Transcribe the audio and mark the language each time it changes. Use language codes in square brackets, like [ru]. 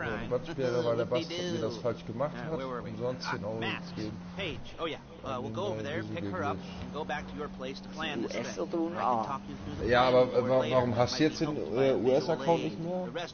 [de] Was wäre, weil der Bastard mir das falsch gemacht hat? Und sonst 10 Euro jetzt geben. [en] We'll go over there, pick her up, and go back to your place to plan this thing. [de] Ja, aber warum hast du jetzt den US-Account nicht mehr?